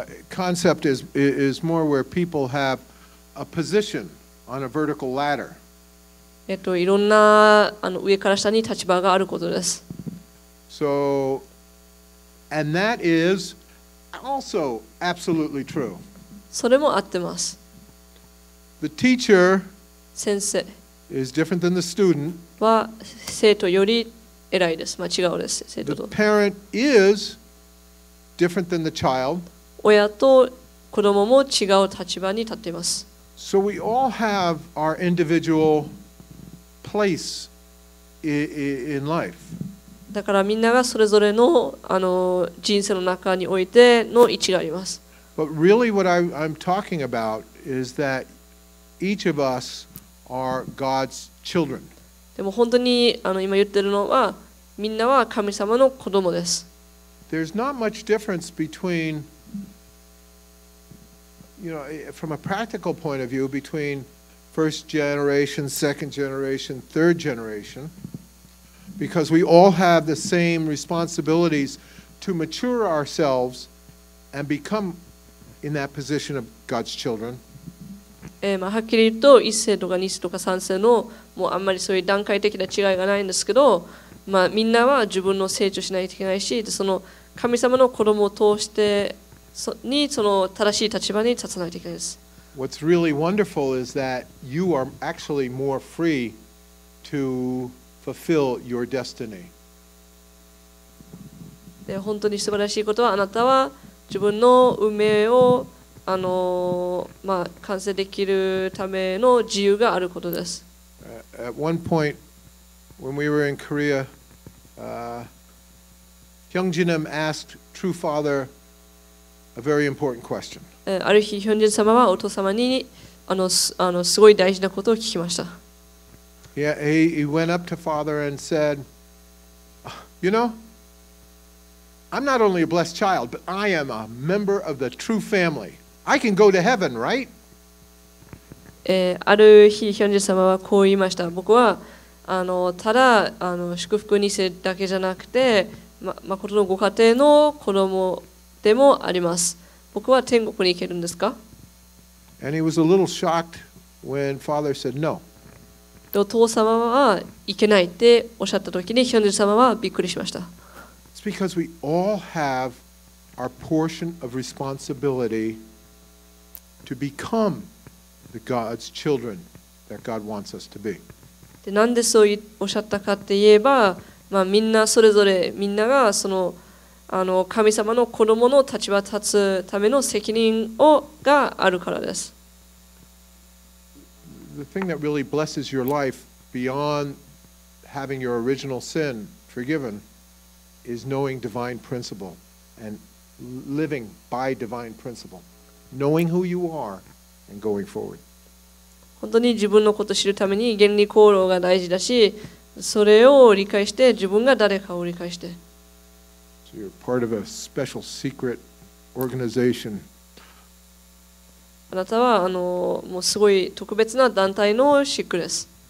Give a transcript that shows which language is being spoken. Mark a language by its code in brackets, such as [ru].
[en] Concept is more where people have a position on a vertical ladder。 [ja] いろんな上から下に立場があることです。 [en] So, and that is also absolutely true。 [ja] それも合ってます。 [en] The teacher [ja] 先生 [en] is different than the student. [ja] は生徒より偉いです。まあ、違うです。生徒と。 [en] The parent is different than the child. [ja] 親と子供も違う立場に立っています。 [en] So we all have our individual place in life. [ja] だからみんながそれぞれの人生の中においての位置があります。 [en] But really what I'm talking about is thateach of us are God's children. [ja] でも本当に今言ってるのはみんなは神様の子供です。 [en] There's not much difference between, you know, from a practical point of view, between first generation, second generation, third generation, because we all have the same responsibilities to mature ourselves and become in that position of God's children. [ja] まあ、はっきり言うと1世とか2世とか3世のもうあんまりそういう段階的な違いがないんですけど、まあ、みんなは自分の成長しないといけないし、その神様の子供を通してそにその正しい立場に立たないといけないです。 [en] What's really wonderful is that you are actually more free to fulfill your destiny. [ja] で、本当に素晴らしいことはあなたは自分の運命をまあ、完成できるための自由があることです。 [en] At one point, when we were in Korea, Hyungjinim asked True Father a very important question. [ja] ある日、ヒョンジン様はお父様にすごい大事なことを聞きました。 [en] Yeah, he went up to Father and said, "You know, I'm not only a blessed child, but I am a member of the True Family." I can go to heaven, right? [ja] ある日、ヒョンジン様はこう言いました。僕はただ祝福二世だけじゃなくて、ま、誠のご家庭の子供でもあります。僕は天国に行けるんですか？ [en] And he was a little shocked when Father said no. [ja] お父様は行けないっておっしゃった時に、ヒョンジン様はびっくりしました。 [en] It's because we all have our portion of responsibility. To become the God's children that God wants us to be. [ja] で、なんでそうおっしゃったかって言えば、まあ、みんなそれぞれみんながその神様の子供の立場立つための責任をがあるからです。 [en] The thing that really blesses your life beyond having your original sin forgiven is knowing divine principle and living by divine principle. Knowing who you are and going forward. [ja] 本当に自分のことを知るために原理功労が大事だし、それを理解して自分が誰かを理解して。 [en] So you're part of a special secret organization. [ja] あなたはもうすごい特別な団体のシックです。